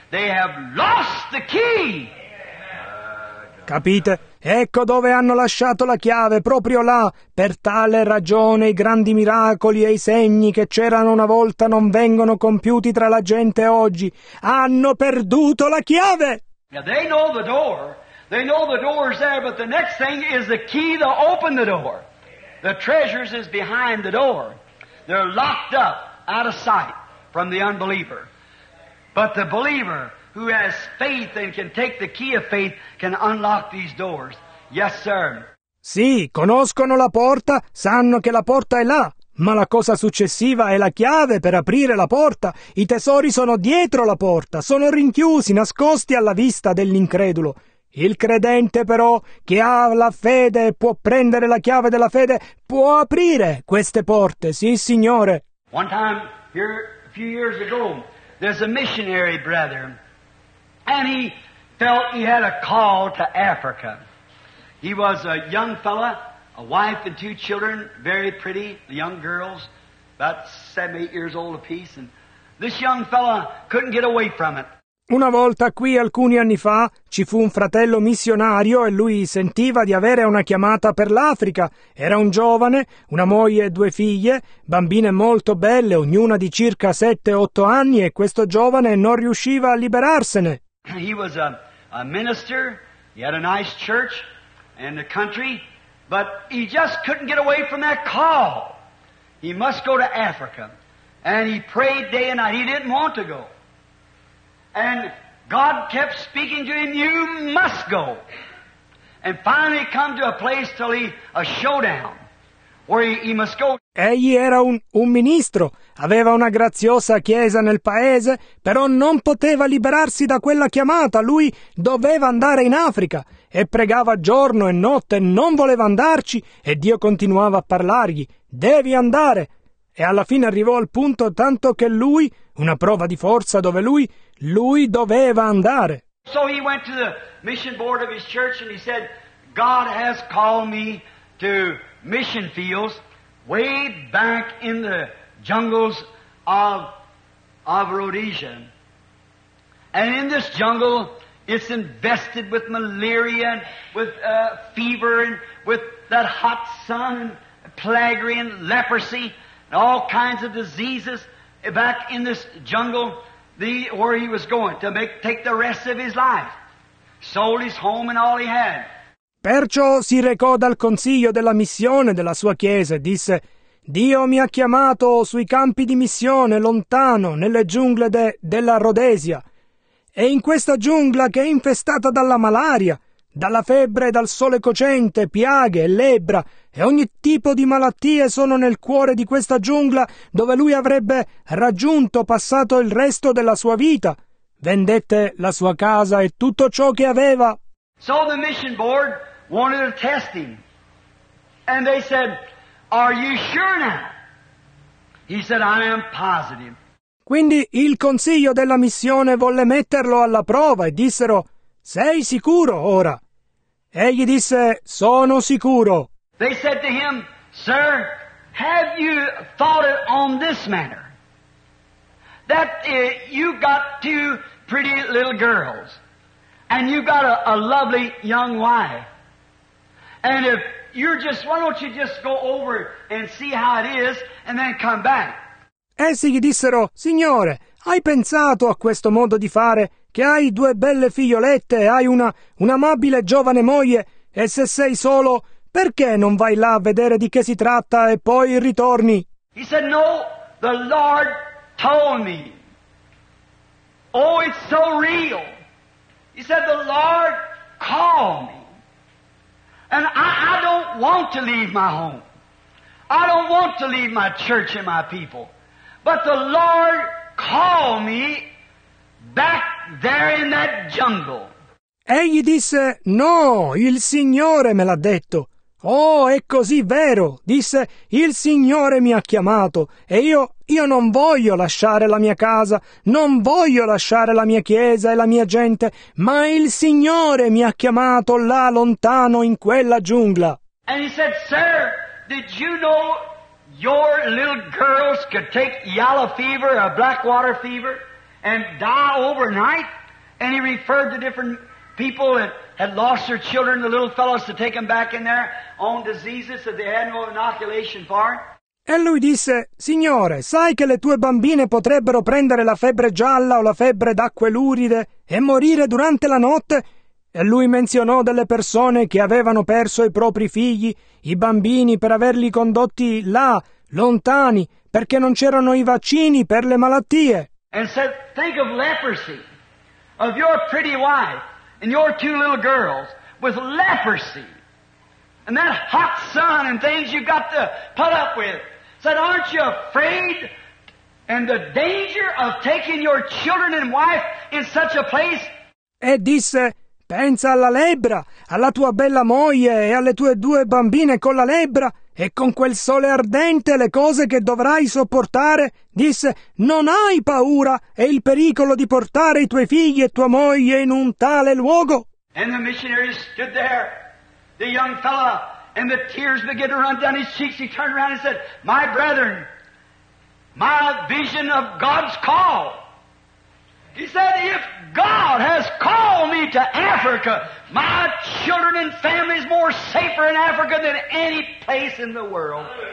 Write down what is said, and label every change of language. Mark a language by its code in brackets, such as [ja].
[en] They have lost the key. [it] Capite? Ecco dove hanno lasciato la chiave, proprio là. Per tale ragione i grandi miracoli e i segni che c'erano una volta non vengono compiuti tra la gente oggi. Hanno perduto la chiave. [en] Now they know the door. They know the door is there, but the next thing is the key to open the door. The treasures is behind the door. They're locked up out of sight from the unbeliever. But the believer who has faith and can take the key of faith can unlock these doors. Yes, sir. [it] Sì, conoscono la porta, sanno che la porta è là. Ma la cosa successiva è la chiave per aprire la porta. I tesori sono dietro la porta, sono rinchiusi, nascosti alla vista dell'incredulo. Il credente però, che ha la fede e può prendere la chiave della fede, può aprire queste porte, sì signore. [en] One time, here, a few years ago, there's a missionary brother, and he felt he had a call to Africa. He was a young fella, a wife and two children, very pretty, young girls, about 7-8 years old apiece, and this young fella couldn't get away from it. [it] Una volta qui, alcuni anni fa, ci fu un fratello missionario e lui sentiva di avere una chiamata per l'Africa. Era un giovane, una moglie e due figlie, bambine molto belle, ognuna di circa 7-8 anni, e questo giovane non riusciva a liberarsene. [en] He was a minister, he had a nice church and a country, but he just couldn't get away from that call. He must go to Africa. And he prayed day and night. He didn't want to go. And God kept speaking to him, you must go. And finally come to a place till a showdown where he must go. [it] Egli era un ministro, aveva una graziosa chiesa nel paese, però non poteva liberarsi da quella chiamata. Lui doveva andare in Africa e pregava giorno e notte, non voleva andarci, e Dio continuava a parlargli, devi andare. E alla fine arrivò al punto tanto che lui, una prova di forza dove lui doveva andare. [en] So he went to the mission board of his church and he said, God has called me to mission fields way back in the jungles of Rhodesia. And in this jungle, it's invested with malaria and with fever and with that hot sun and plaguey and leprosy and all kinds of diseases. Back in this jungle, where he was going to take the rest of his life. Sold his home and all he had. [it] Perciò si recò dal consiglio della missione della sua chiesa e disse: Dio mi ha chiamato sui campi di missione lontano nelle giungle della Rhodesia. E in questa giungla che è infestata dalla malaria, dalla febbre e dal sole cocente, piaghe e lebbra e ogni tipo di malattie sono nel cuore di questa giungla dove lui avrebbe raggiunto passato il resto della sua vita. Vendette la sua casa e tutto ciò che aveva. [en] So the mission board wanted to test him. And they said, are you sure now? He said, I am positive. [it] Quindi il consiglio della missione volle metterlo alla prova e dissero, sei sicuro ora? Egli disse, sono sicuro. [en] They said to him, sir, have you thought it on this manner? That you got two pretty little girls. And you've got a lovely young wife. And if you're just, why don't you just go over and see how it is and then come back? [it] Essi gli dissero, Signore, hai pensato a questo modo di fare, che hai due belle figliolette e hai un'amabile giovane moglie, e se sei solo, perché non vai là a vedere di che si tratta e poi ritorni? [en] He said, no, the Lord told me. Oh, it's so real. He said, the Lord called me. And I don't want to leave my home. I don't want to leave my church and my people. But the Lord called me back there in that jungle. [it] Egli disse, no, il Signore me l'ha detto. Oh, è così vero. Disse, il Signore mi ha chiamato. E io non voglio lasciare la mia casa. Non voglio lasciare la mia chiesa e la mia gente. Ma il Signore mi ha chiamato là lontano in quella giungla. [en] And he said, sir, did you know your little girls could take yellow fever or black water fever and die overnight? And he referred to different people that had lost their children, the little fellows, to take them back in there on diseases that they had no inoculation for. [it] E lui disse, Signore, sai che le tue bambine potrebbero prendere la febbre gialla o la febbre d'acque luride e morire durante la notte? E lui menzionò delle persone che avevano perso i propri figli, i bambini, per averli condotti là, lontani, perché non c'erano i vaccini per le malattie. [en] And said, think of leprosy, of your pretty wife and your two little girls with leprosy, and that hot sun and things you've got to put up with. Said, aren't you afraid and the danger of taking your children and wife in such a place? [it] E disse, pensa alla lebbra, alla tua bella moglie e alle tue due bambine con la lebbra e con quel sole ardente le cose che dovrai sopportare. Disse, non hai paura e il pericolo di portare i tuoi figli e tua moglie in un tale luogo. [en] And the missionary stood there, the young fella, and the tears began to run down his cheeks. He turned around and said, my brethren, my vision of God's call. He said, if God has called me to Africa, my children and family is more safer in Africa than any place in the world.